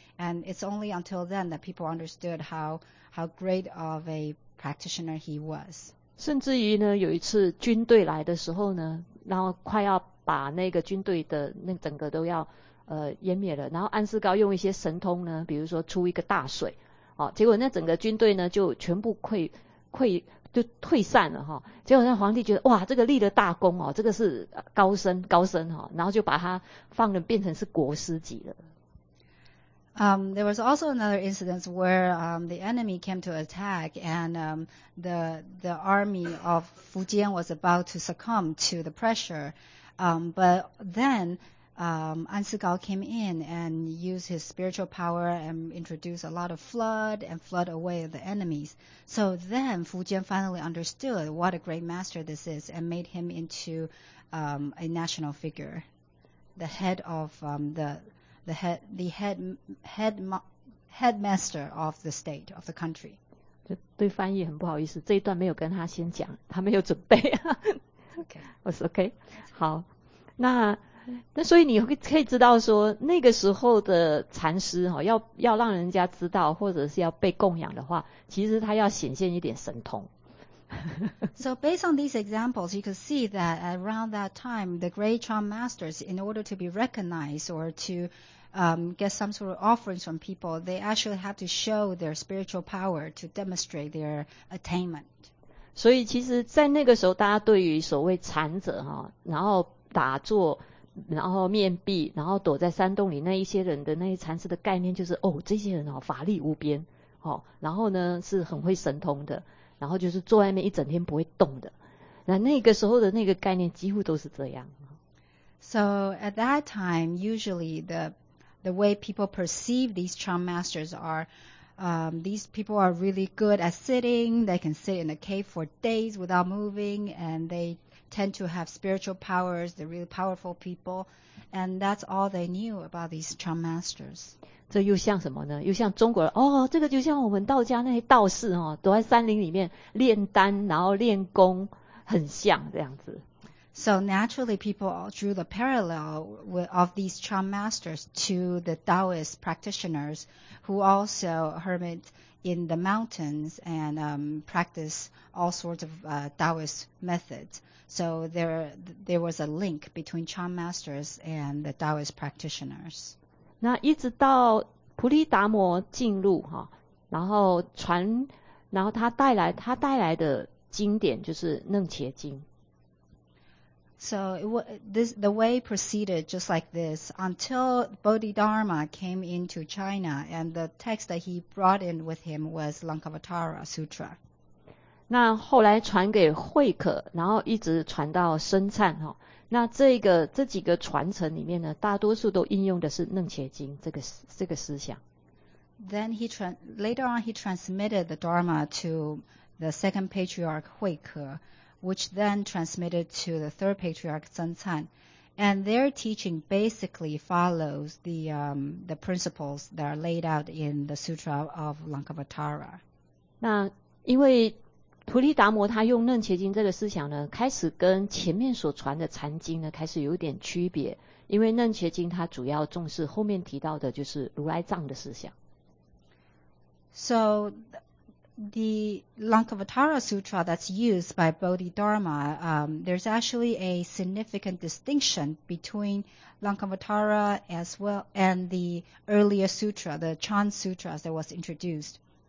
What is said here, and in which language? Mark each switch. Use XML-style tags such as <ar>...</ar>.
<en>And it's only until then that people understood how great of a practitioner he was.</en> <zh>甚至于呢，有一次军队来的时候呢，然后快要把那个军队的那整个都要湮灭了，然后安世高用一些神通呢，比如说出一个大水，哦，结果那整个军队呢就全部就退散了哈，哦，结果那皇帝觉得哇，这个立了大功哦，这个是高升高升哈，哦，然后就把他放了变成是国师级了。</zh> <en>There was also another incident where the enemy came to attack and the army of Fu Jian was about to succumb to the pressure, but then An Si Gao came in and used his spiritual power and introduced a lot of flood and flood away the enemies. So then Fu Jian finally understood what a great master this is and made him into a national figure, the head of headmaster of the state of the country.</en> <zh>对翻译很不好意思，这一段没有跟他先讲，他没有准备。</zh> <en>Okay, it's okay.</en> <zh>好，那所以你可以知道说，那个时候的禅师哈，要让人家知道或者是要被供养的话，其实他要显现一点神通。</zh> <en>So based on these examples, you could see that around that time, the great Chan masters, in order to be recognized or to get some sort of offerings from people, they actually have to show their spiritual power to demonstrate their attainment.</en> <zh>所以其实，在那个时候，大家对于所谓禅者哈，然后打坐，然后面壁，然后躲在山洞里，那一些人的那些禅师的概念就是，哦，这些人哦法力无边，哦，然后呢是很会神通的，然后就是坐在那边一整天不会动的，那个时候的那个概念几乎都是这样。</zh> <en>So at that time, usually the way people perceive these Chan masters are, these people are really good at sitting. They can sit in a cave for days without moving, and they tend to have spiritual powers, they're really powerful people, and that's all they knew about these Chan masters.</en> <zh>这又像什么呢？又像中国人，哦，这个就像我们道家那些道士，哦，躲在山林里面炼丹，然后练功，很像这样子。</zh> <en>So naturally, people drew the parallel of these Chan masters to the Taoist practitioners who also hermit in the mountains and practice all sorts of Taoist methods. So there was a link between Chan masters and the Taoist practitioners.</en> <zh>那一直到菩提达摩进入，哦，然后他带来的经典就是楞伽经。</zh> <en>So the way proceeded just like this until Bodhidharma came into China, and the text that he brought in with him was Lankavatara Sutra.</en> <zh>那后来传给慧可，然后一直传到僧璨，哦，那这几个传承里面呢，大多数都应用的是楞伽经这个思想。</zh> <en>Then later on he transmitted the Dharma to the second patriarch 慧可, which then transmitted to the third patriarch, Sun Chan. And their teaching basically follows the principles that are laid out in the Sutra of Lankavatara.</en> <zh>那因为菩提达摩他用楞伽经这个思想呢，开始跟前面所传的禅经呢开始有点区别，因为楞伽经它主要重视后面提到的就是如来藏的思想。</zh> <en>So the Lankavatara Sutra that's used by Bodhidharma, there's actually a significant distinction between Lankavatara as well and the earlier sutra, the Chan Sutras that was introduced.</en>